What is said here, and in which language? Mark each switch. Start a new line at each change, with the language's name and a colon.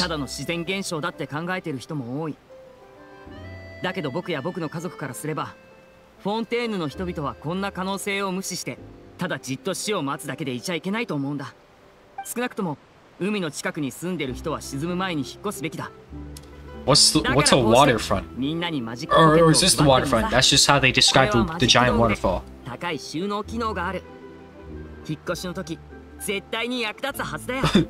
Japanese: ただの自然現象だって考えてる人も多い。だけど僕や僕の家族からすれば、フォンテーヌの人々はこんな可能性を無視して、ただじっと死を待つだけでいちゃいけないと思うんだ。少なくとも海の近くに住んでる人は沈む前に引っ越すべきだ。
English: What's a waterfront?
Japanese: みんなにマジック。
English: Or is this the waterfront? That's just how they describe the giant waterfall.
Japanese: 高い収納機能がある。引っ越しの時絶対に役立つはずだよ。